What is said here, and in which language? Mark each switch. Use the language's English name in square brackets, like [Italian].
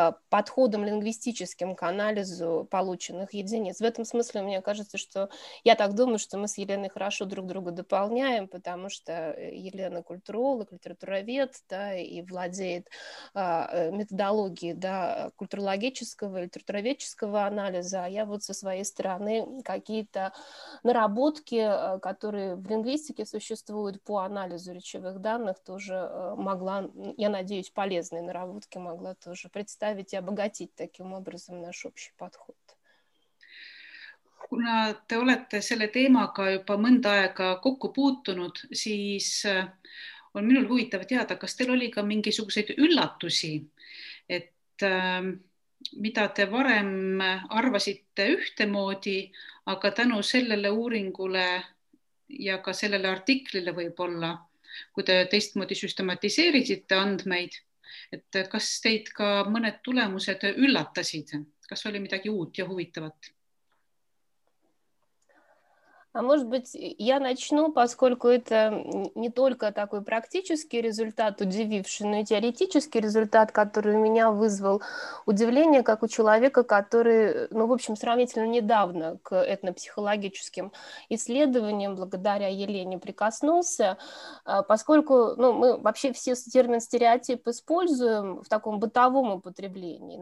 [Russian] подходом лингвистическим к анализу полученных единиц. В этом смысле, мне кажется, что я так думаю, что мы с Еленой хорошо друг друга дополняем, потому что Елена культуролог, литературовед, да, и владеет методологией, да, культурологического и литературоведческого анализа, а я вот со своей стороны какие-то наработки, которые в лингвистике существуют по анализу речевых данных, то уже могла, я надеюсь, полезные наработки могла тоже представить и обогатить таким образом наш общий подход. [Estonian] Kuna te olete selle teemaga juba mõnda aega kokku puutunud, siis on minul huvitav teada, kas teil oli ka mingisuguseid üllatusi, et mida te varem arvasite ühtemoodi, aga tänu sellele uuringule ja ka sellele artiklile võib-olla, kui te teistmoodi süstematiseerisite andmeid, et kas teid ka mõned tulemused üllatasid? Kas oli midagi uut ja huvitavat? [Russian] А может быть, я начну, поскольку это не только такой практический результат, удививший, но и теоретический результат, который у меня вызвал удивление, как у человека, который, ну, в общем, сравнительно недавно к этнопсихологическим исследованиям, благодаря Елене, прикоснулся, поскольку, ну, мы вообще все термин стереотип используем в таком бытовом употреблении.